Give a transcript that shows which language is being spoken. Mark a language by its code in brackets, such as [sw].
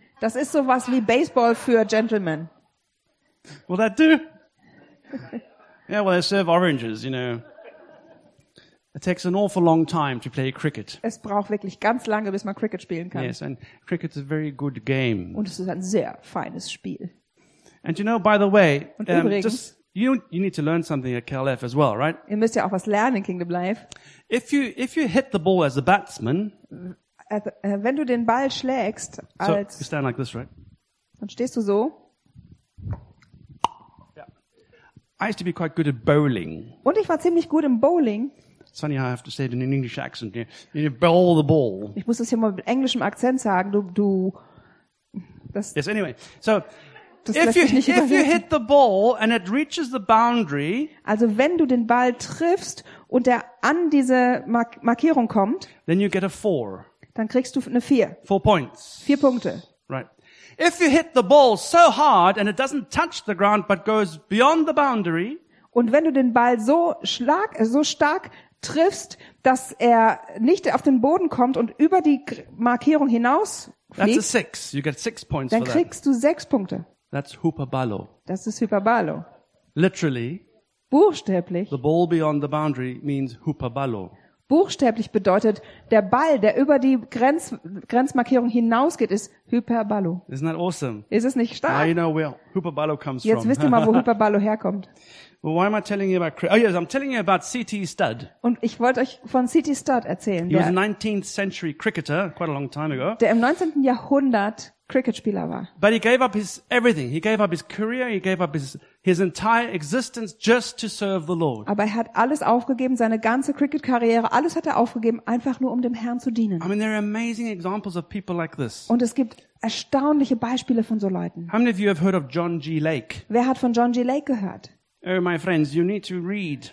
[de] Das ist sowas wie Baseball für Gentlemen. [en] Will that do? Yeah, well, they serve oranges, you know. It takes an awful long time to play cricket. [de] Es braucht wirklich ganz lange, bis man Cricket spielen kann. [en] Yes, and cricket is a very good game. [de] Und es ist ein sehr feines Spiel. [en] And you know, by the way, you need to learn something at KLF as well, right? [de] Ihr müsst ja auch was lernen in Kingdom Life. [en] If you hit the ball as a batsman, [de] wenn du den Ball schlägst als, [en] so you stand like this, right? [de] Dann stehst du so. [en] I used to be quite good at bowling. [de] Und ich war ziemlich gut im Bowling. [en] It's funny how I have to say it in an English accent. You bowl the ball. [de] Ich muss das hier mal mit englischem Akzent sagen. Du. Das, [en] yes, anyway. So, if you hit the ball and it reaches the boundary. [de] Also wenn du den Ball triffst und er an diese Markierung kommt. [en] Then you get a 4. [de] Dann kriegst du eine 4. [en] 4 points. [de] 4 Punkte. [en] Right. If you hit the ball so hard and it doesn't touch the ground but goes beyond the boundary, [de] und wenn du den Ball so stark triffst, dass er nicht auf den Boden kommt und über die Markierung hinaus fliegt, [en] that's a 6. You get 6 points. [de] Dann [en] for [de] kriegst [en] that. [de] Du 6 Punkte. [en] That's hyperbalo. [de] Das ist hyperbalo. [en] Literally. [de] Buchstäblich. [en] The ball beyond the boundary means hyperbalo. [de] Buchstäblich bedeutet, der Ball, der über die Grenzmarkierung hinausgeht, ist Hyperballo. [en] Isn't that awesome? [de] Ist es nicht stark? [en] Now you know where Hyperballo comes [de] Jetzt [en] from. [de] Wisst ihr mal, wo Hyperballo herkommt. [en] Well, why am I telling you about I'm telling you about C.T. Studd. [de] Und ich wollte euch von C.T. Studd erzählen. [en] He was a 19th century cricketer, quite a long time ago. [de] Der im 19. Jahrhundert Cricketspieler war. [en] But he gave up his everything. He gave up his career, he gave up his entire existence just to serve the Lord. [de] Aber er hat alles aufgegeben, seine ganze Cricket-Karriere, alles hat er aufgegeben, einfach nur um dem Herrn zu dienen. [en] I mean, there are amazing examples of people like this. [de] Und es gibt erstaunliche Beispiele von so Leuten. [en] How many of you have heard of John G. Lake? [de] Wer hat von John G. Lake gehört? [en] Oh, my friends, you need to read.